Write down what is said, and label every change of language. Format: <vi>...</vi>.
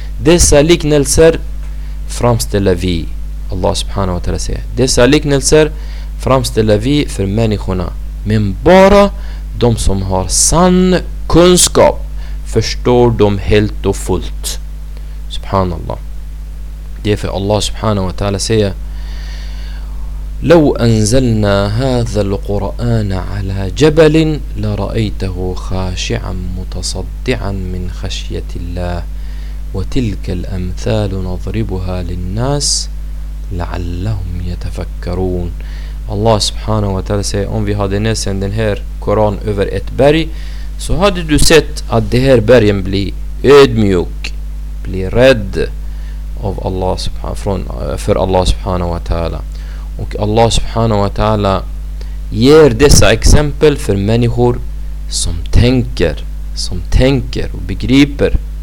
<sv>Dessa liknelser framställer vi, Allah subhanahu wa ta'ala säger, dessa liknelser framställer vi för människorna, men bara de som har sann kunskap förstår dem helt och fullt. Subhanallah. Det är för Allah subhanahu wa ta'ala säger:</sv> <ar>لو أنزلنا هذا القرآن على جبل لرأيته خاشعا متصدعا من خشية الله وتلك الأمثال نضربها للناس لعلهم يتفكرون.</ar> <sv>الله سبحانه وتعالى säger: om vi hade nedsänt den här Koran över ett berg, så hade du sett att det här bergen blir ödmjuk, blir rädd av Allah för Allah subhanahu wa ta'ala. Och Allah subhanahu wa ta'ala ger dessa exempel för människor som tänker, som tänker och begriper.</sv>